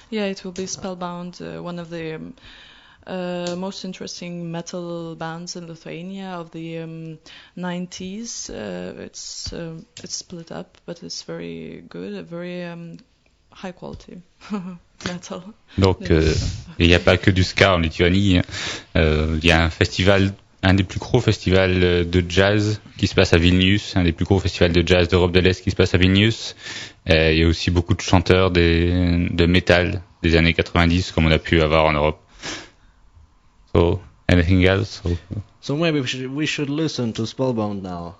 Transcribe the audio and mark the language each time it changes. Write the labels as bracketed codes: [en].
[en] Yeah, it will be Spellbound, one of the most interesting metal bands in Lithuania of the 90s. It's split up, but it's very good, a very high quality metal. [fr] Donc, il n'y a pas que du ska en Lituanie. Il y a un festival. Un des plus gros festivals de jazz qui se passe à Vilnius, un des plus gros festivals de jazz d'Europe de l'Est qui se passe à Vilnius. Il y a aussi beaucoup de chanteurs de métal des années 90 comme on a pu avoir en Europe. [en] So, anything else? So maybe we should listen to Spellbound now.